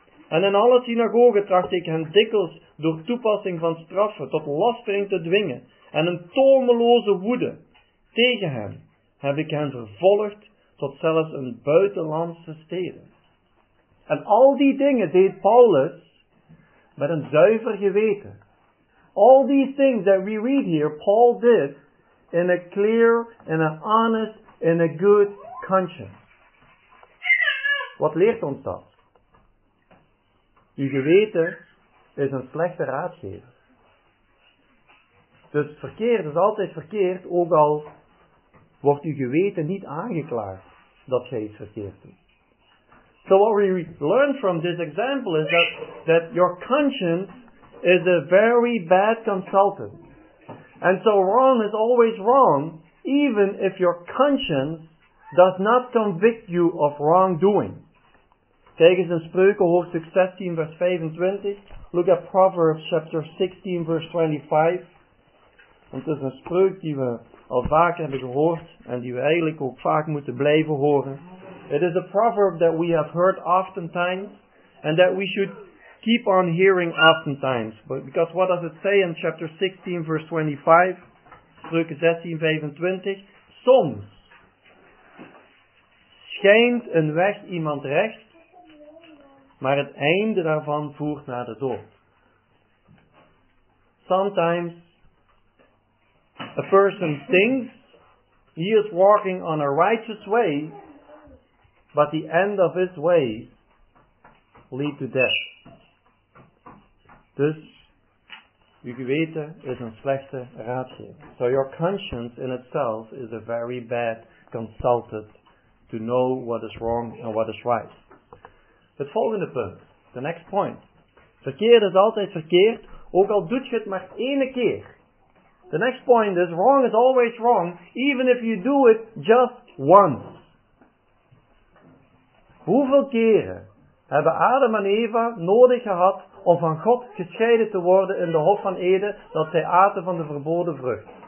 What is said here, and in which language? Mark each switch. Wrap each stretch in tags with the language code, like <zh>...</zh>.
<nl>En in alle synagogen tracht ik hen dikwijls door toepassing van straffen tot lastering te dwingen. En een tomeloze woede tegen hen heb ik hen vervolgd tot zelfs een buitenlandse steden. En al die dingen deed Paulus met een zuiver geweten.</nl> <en>All these things that we read here, Paul did in a clear, in an honest, in a good conscience.</en> <nl>Wat leert ons dat? Uw geweten is een slechte raadgever. Dus verkeerd is altijd verkeerd, ook al wordt uw geweten niet aangeklaagd dat gij iets verkeerd doet.</nl> <en>So what we learn from this example is that your conscience is a very bad consultant. And so wrong is always wrong, even if your conscience does not convict you of wrongdoing.</en> <nl>Kijk eens in Spreuken hoofdstuk 16 vers 25.</nl> <en>Look at Proverbs chapter 16 verse 25.</en> <nl>Het is een spreuk die we al vaak hebben gehoord en die we eigenlijk ook vaak moeten blijven horen.</nl> <en>It is a proverb that we have heard oftentimes and that we should keep on hearing oftentimes. But because what does it say in chapter 16 verse 25?</en> <nl>Spreuken 16, 25. Soms schijnt een weg iemand recht, maar het einde daarvan voert naar de dood.</nl> <en>Sometimes a person thinks he is walking on a righteous way, but the end of his way lead to death.</en> <nl>Dus, uw geweten is een slechte raadgever.</nl> <en>So your conscience in itself is a very bad consultant to know what is wrong and what is right.</en> <nl>Het volgende punt,</nl> <en>the next point.</en> <nl>Verkeerd is altijd verkeerd, ook al doet je het maar ene keer.</nl> <en>The next point is, wrong is always wrong, even if you do it just once.</en> <nl>Hoeveel keren hebben Adam en Eva nodig gehad om van God gescheiden te worden in de Hof van Eden, dat zij aten van de verboden vrucht?</nl>